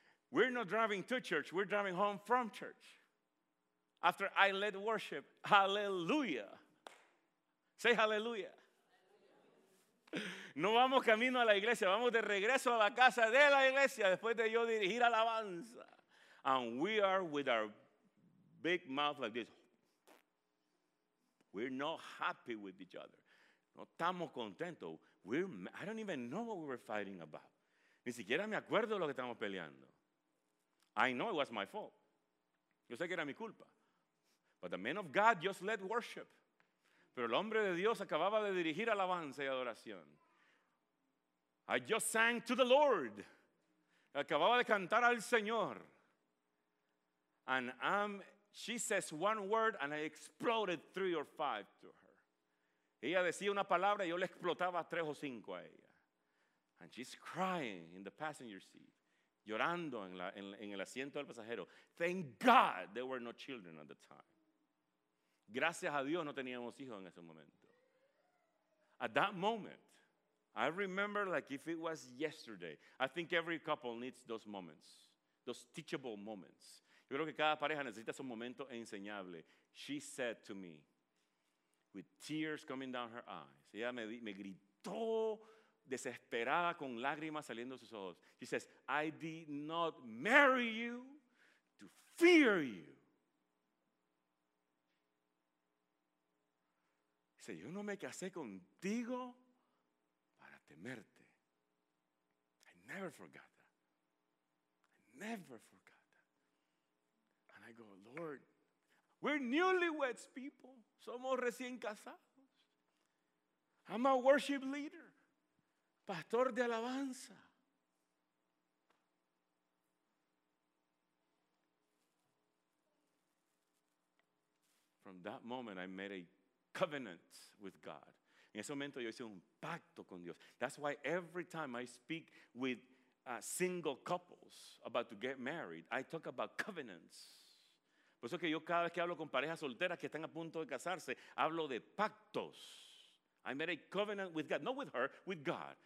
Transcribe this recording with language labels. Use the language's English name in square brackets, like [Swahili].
[English] We're not driving to church. We're driving home from church. After I led worship. Hallelujah. Say hallelujah. [Spanish] No vamos camino a la iglesia. Vamos de regreso a la casa de la iglesia después de yo dirigir alabanza. [English] And we are with our big mouth like this. We're not happy with each other. [Spanish] No estamos contentos. [English] I don't even know what we were fighting about. [Spanish] Ni siquiera me acuerdo de lo que estábamos peleando. [English] I know it was my fault. [Spanish] Yo sé que era mi culpa. [English] But the man of God just led worship. [Spanish] Pero el hombre de Dios acababa de dirigir alabanza y adoración. [English] I just sang to the Lord. [Spanish] Acababa de cantar al Señor. [English] And she says one word and I exploded 3 or 5 to her. [Spanish] Ella decía una palabra y yo le explotaba 3 o 5 a ella. [English] And she's crying in the passenger seat, [Spanish] llorando en el asiento del pasajero. [English] Thank God there were no children at the time. [Spanish] Gracias a Dios no teníamos hijos en ese momento. [English] At that moment, I remember like if it was yesterday. I think every couple needs those moments, those teachable moments. [Spanish] Yo creo que cada pareja necesita su momento enseñable. [English] She said to me, with tears coming down her eyes. [Spanish] Ella me gritó desesperada con lágrimas saliendo de sus ojos. [English] She says, "I did not marry you to fear you." [Spanish] Dice, "Yo no me casé contigo para temerte." [English] I never forgot that. I go, "Lord, we're newlyweds, people. [Spanish] Somos recién casados. [English] I'm a worship leader, [Spanish] pastor de alabanza." [English] From that moment, I made a covenant with God. [Spanish] En ese momento, yo hice un pacto con Dios. [English] That's why every time I speak with single couples about to get married, I talk about covenants. [Spanish] Por eso que yo cada vez que hablo con parejas solteras que están a punto de casarse, hablo de pactos. [English] I made a covenant with God, not with her, with God.